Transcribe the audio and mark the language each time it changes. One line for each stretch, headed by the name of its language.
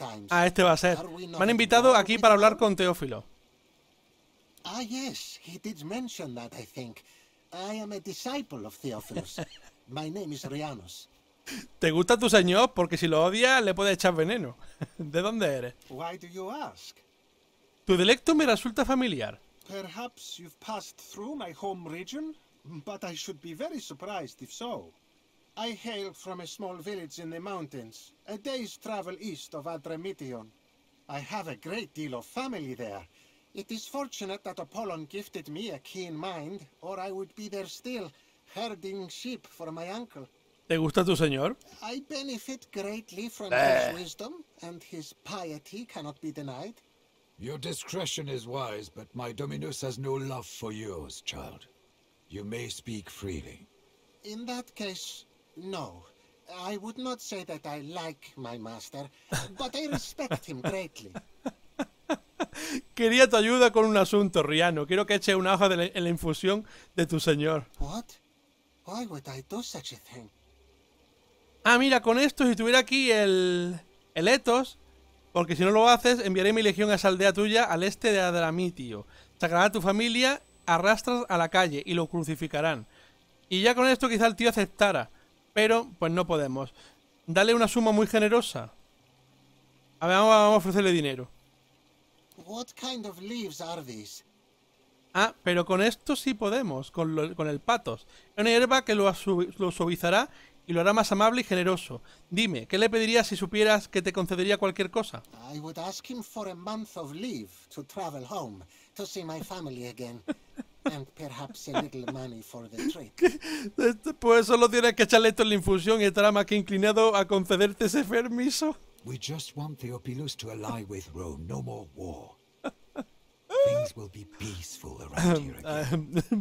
Spanish: Ah, este va a ser. Me han invitado aquí para hablar con Teófilo.
English: Ah, yes, he did mention that, I think. I am a disciple of Theophilus. My name is Rianos.
Spanish: ¿Te gusta tu señor? Porque si lo odias, le puedes echar veneno. ¿De dónde eres?
English: Why do you ask?
Spanish: Tu dialecto me resulta familiar.
English: Perhaps you've passed through my home region, but I should be very surprised if so. I hail from a small village in the mountains, a day's travel east of Adramyttion. I have a great deal of family there. It is fortunate that Apollon gifted me a keen mind, or I would be there still, herding sheep for my uncle.
Spanish: ¿Te gusta tu señor?
English: I benefit greatly from his wisdom, and his piety cannot be denied. Your discretion is wise, but my Dominus has no love for yours, child. You may speak freely. In that case, no. I would not say that I like my master, but I respect him greatly.
Spanish: Quería tu ayuda con un asunto, Riano. Quiero que eche una hoja en la infusión de tu señor.
English: What? Why would I do such a thing?
Spanish: Ah, mira, con esto, si tuviera aquí el Etos... Porque si no lo haces, enviaré mi legión a esa aldea tuya al este de Adramyttio. Sacará a tu familia, arrastras a la calle y lo crucificarán. Y ya con esto quizá el tío aceptara. Pero, pues no podemos. Dale una suma muy generosa. A ver, vamos a ofrecerle dinero.
English: What kind of leaves are these?
Spanish: Ah, pero con esto sí podemos, con el patos. Es una hierba que lo suavizará y lo hará más amable y generoso. Dime, ¿qué le pedirías si supieras que te concedería cualquier cosa?
English: I would ask him for a month of leave to travel home, to see my family again, and perhaps a little money for the trip.
Spanish: Pues solo tienes que echarle esto en la infusión y estará más que inclinado a concederte ese permiso.
English: We just want Theopilus to ally with Rome, no more war. Things will be peaceful around here again.